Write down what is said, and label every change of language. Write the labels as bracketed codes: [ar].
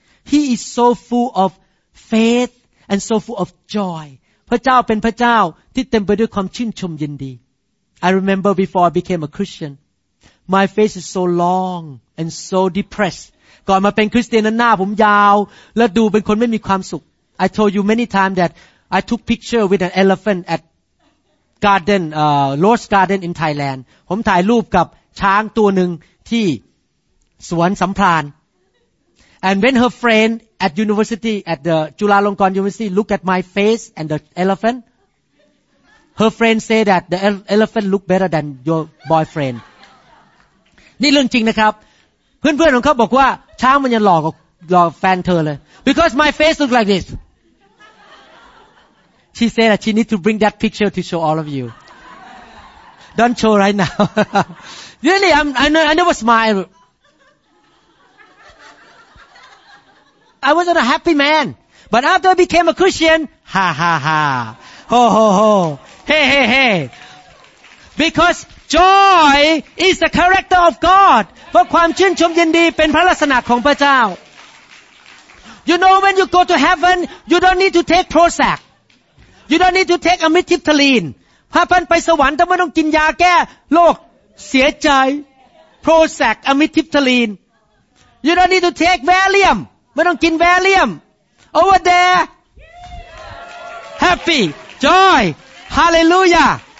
[en] He is so full of faith and so full of joy [th] พระเจ้าเป็นพระเจ้าที่เต็มไปด้วยความชื่นชมยินดี [en] I remember before I became a Christian my face is so long and so depressed [th] ก่อนมาเป็นคริสเตียนหน้าผมยาวและดูเป็นคนไม่มีความสุข [en] I told you many times that I took picture with an elephant at garden Lord's Garden in Thailand [th] ผมถ่ายรูปกับช้างตัวหนึ่งที่สวนสำพราญ [en] and when her friendAt university, at the Chulalongkorn University, look at my face and the elephant. Her friend say that the elephant look better than your boyfriend. [th] นี่เรื่องจริงนะครับเพื่อนๆของเขาบอกว่าช้างมันยังหลอกกับแฟนเธอเลย [en] because my face look like this. She said that she need to bring that picture to show all of you. Don't show right now. Really, I never smile. I wasn't a happy man, but after I became a Christian, ha ha ha, ho ho ho, hey hey hey, because joy is the character of God. For [th] ความชื่นชมยินดีเป็นพระลักษณะของพระเจ้า [en] You know when you go to heaven, you don't need to take Prozac, you don't need to take Amitriptyline. [th] ถ้าท่านไปสวรรค์ท่านไม่ต้องกินยาแก้โรคเสียใจ Prozac, Amitriptyline. [en] You don't need to take Valium. [th] ไม่ต้องกินแวลิอม [en] over there happy joy hallelujah